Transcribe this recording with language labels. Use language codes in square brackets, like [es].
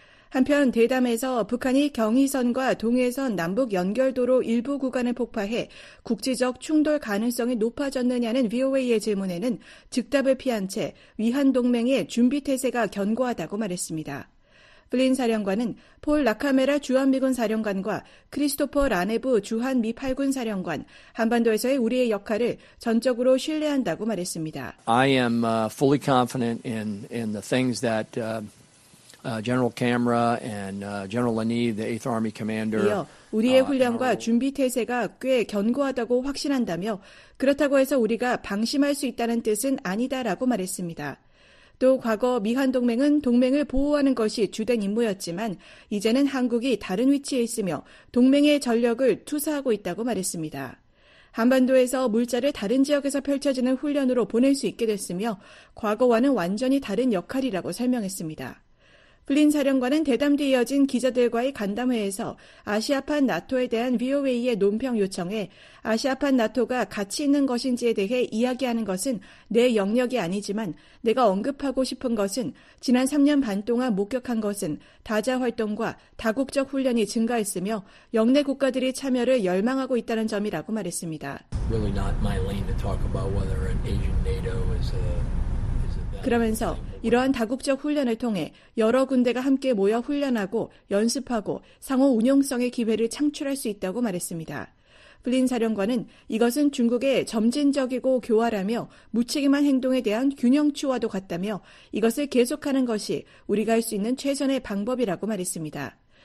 [ko] 한편 대담에서 북한이 경의선과 동해선 남북 연결도로 일부 구간을 폭파해 국제적 충돌 가능성이 높아졌느냐는 VOA의 질문에는 즉답을 피한 채 위안 동맹의 준비태세가 견고하다고 말했습니다. 플린 사령관은 폴 라카메라 주한미군 사령관과 크리스토퍼 라네브 주한미 8군 사령관, 한반도에서의 우리의 역할을 전적으로 신뢰한다고 말했습니다. [en] I am fully confident in the things that... General Camera and General Lani, the 8th Army Commander. [ko] 이어 우리의 훈련과 준비 태세가 꽤 견고하다고 확신한다며 그렇다고 해서 우리가 방심할 수 있다는 뜻은 아니다라고 말했습니다. 또 과거 미한 동맹은 동맹을 보호하는 것이 주된 임무였지만 이제는 한국이 다른 위치에 있으며 동맹의 전력을 투사하고 있다고 말했습니다. 한반도에서 물자를 다른 지역에서 펼쳐지는 훈련으로 보낼 수 있게 됐으며 과거와는 완전히 다른 역할이라고 설명했습니다. 플린 사령관은 대담 뒤 이어진 기자들과의 간담회에서 아시아판 나토에 대한 VOA의 논평 요청에 아시아판 나토가 가치 있는 것인지에 대해 이야기하는 것은 내 영역이 아니지만 내가 언급하고 싶은 것은 지난 3년 반 동안 목격한 것은 다자 활동과 다국적 훈련이 증가했으며 역내 국가들이 참여를 열망하고 있다는 점이라고 말했습니다. [en] Really not my lane to talk about whether an Asian NATO is a... [ko] 그러면서 이러한 다국적 훈련을 통해 여러 군대가 함께 모여 훈련하고 연습하고 상호 운용성의 기회를 창출할 수 있다고 말했습니다. 플린 사령관은 이것은 중국의 점진적이고 교활하며 무책임한 행동에 대한 균형추와도 같다며 이것을 계속하는 것이 우리가 할 수 있는 최선의 방법이라고 말했습니다.